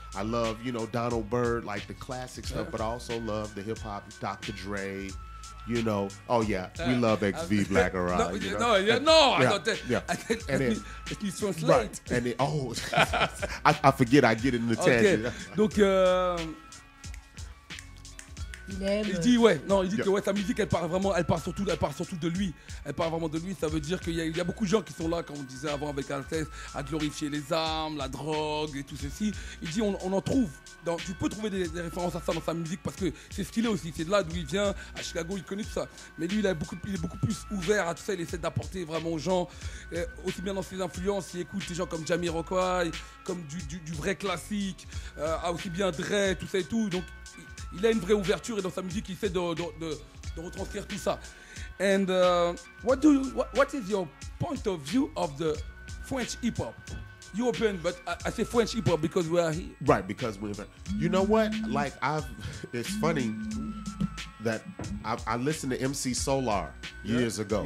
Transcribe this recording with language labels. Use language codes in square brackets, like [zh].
[en] I love, you know, Donald Byrd, like the classic stuff, but I also love the hip-hop, Dr. Dre, you know. Oh, yeah, we love XV Black Aura. Translate. And it, oh, I forget, I get it in the tangent. Okay. [fr] Donc, il dit que ouais, sa musique, elle part surtout de lui. Elle part vraiment de lui. Ça veut dire qu'il y a beaucoup de gens qui sont là, comme on disait avant avec Altes, à glorifier les armes, la drogue et tout ceci. Il dit on en trouve. Tu peux trouver des références à ça dans sa musique parce que c'est ce qu'il est aussi. C'est de là d'où il vient. À Chicago, il connaît tout ça. Mais lui, il est beaucoup plus ouvert à tout ça. Il essaie d'apporter vraiment aux gens, aussi bien dans ses influences. Il écoute des gens comme Jamiroquai, comme du vrai classique, aussi bien Dre, tout ça et tout. Donc, il a une vraie ouverture et dans sa musique, il essaie de retranscrire tout ça. [en] And what is your point of view of the French hip hop? European, but I say French hip hop because we are here. Right, because we're here. You know what? Like, it's funny that I listened to MC Solar years ago.